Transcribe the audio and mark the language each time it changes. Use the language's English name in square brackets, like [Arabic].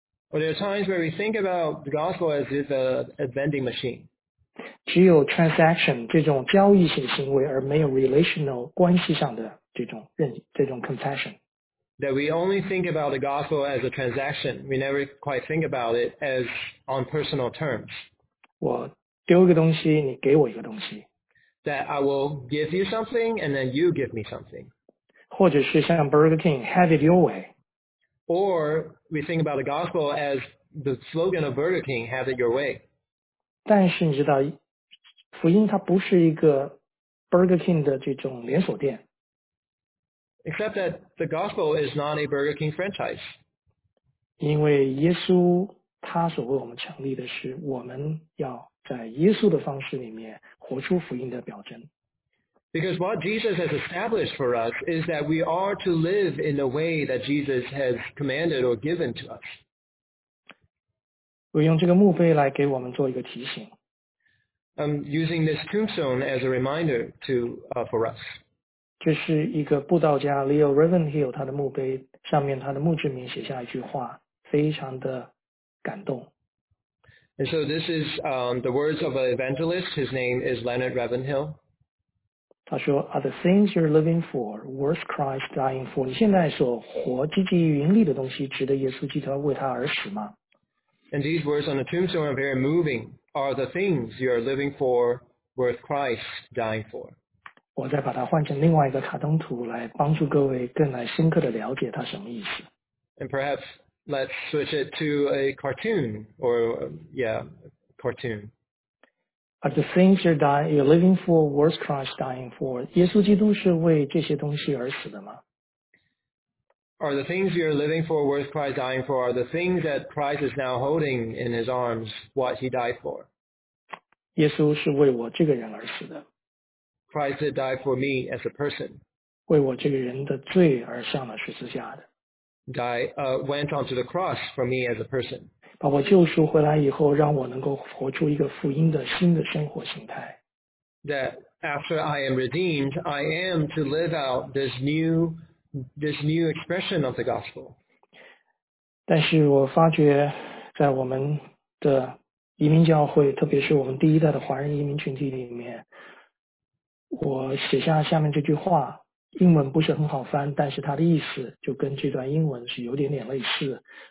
[English] Well, there are times where we think about the gospel as if a vending machine. [Chinese] 只有 transaction 这种交易性行为，而没有 relational 关系上的这种 confession. [English] That we only think about the gospel as a transaction, we never quite think about it as on personal terms. [Chinese] 我丢一个东西，你给我一个东西。 [English] That I will give you something and then you give me something. [Chinese] 或者是像 [English] Burger King, have it your way. Or we think about the gospel as the slogan of Burger King, have it your way. [Chinese] 但是你知道，福音它不是一个 Burger King 的这种连锁店。 [English] Except that the gospel is not a Burger King franchise. [Chinese] 因为耶稣他所为我们成立的是，我们要在耶稣的方式里面活出福音的表征。 [English] Because what Jesus has established for us is that we are to live in the way that Jesus has commanded or given to us. [Chinese] 我用这个墓碑来给我们做一个提醒。 [English] I'm using this tombstone as a reminder to, for us. [Chinese] 这是一个布道家 Leo Ravenhill 他的墓碑，上面他的墓志铭写下一句话，非常的感动。 [English] And so this is, the words of an evangelist. His name is Leonard Ravenhill. [Chinese] 他说 [English] ,Are the things you're living for worth Christ dying for? [Chinese] 你现在所活积极于盈利的东西值得耶稣基督为他而死吗？ [English] And these words on the tombstone are very moving. Are the things you are living for worth Christ dying for? [Chinese] 我再把它换成另外一个卡通图来帮助各位更来深刻的了解它什么意思。 [English] And perhaps let's switch it to a cartoon or, yeah, cartoon. Are the things you're living for worth Christ dying for? [Chinese] 耶稣基督是为这些东西而死的吗？ [English] Are the things you're living for worth Christ dying for? Are the things that Christ is now holding in his arms what he died for? [Chinese] 耶稣是为我这个人而死的。 [English] Christ did die for me as a person. [Chinese] 为我这个人的罪而上了十字架的。 [English] Went onto the cross for me as a person. [Chinese] 把我救赎回来以后，让我能够活出一个福音的新的生活形态。 [English] That after I am redeemed, I am to live out this new expression of the gospel. [Chinese] 但是我发觉在我们的移民教会，特别是我们第一代的华人移民群体里面，我写下下面这句话，英文不是很好翻，但是它的意思就跟这段英文是有点点类似。